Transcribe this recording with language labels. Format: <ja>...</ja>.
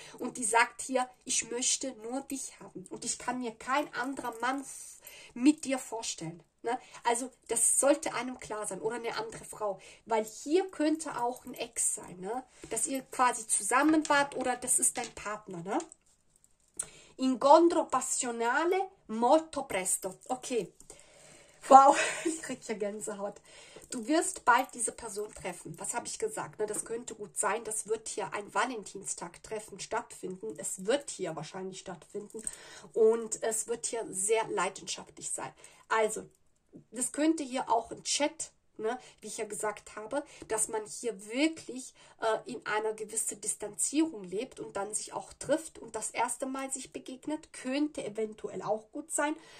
<de>Und die sagt hier, ich möchte nur dich haben. Und ich kann mir kein anderer Mann mit dir vorstellen, ne? Also das sollte einem klar sein. Oder eine andere Frau. Weil hier könnte auch ein Ex sein, ne? Dass ihr quasi zusammen wart oder das ist dein Partner, ne?</de> <it>Incontro passionale molto presto.</it> <de>Okay. Wow, ich krieg ja Gänsehaut. Du wirst bald diese Person treffen. Was habe ich gesagt? Das könnte gut sein. Das wird hier ein Valentinstag-Treffen stattfinden. Es wird hier wahrscheinlich stattfinden. Und es wird hier sehr leidenschaftlich sein. Also, das könnte hier auch ein Chat, ne, wie ich ja gesagt habe, dass man hier wirklich in einer gewissen Distanzierung lebt und dann sich auch trifft und das erste Mal sich begegnet, könnte eventuell auch gut sein.</de>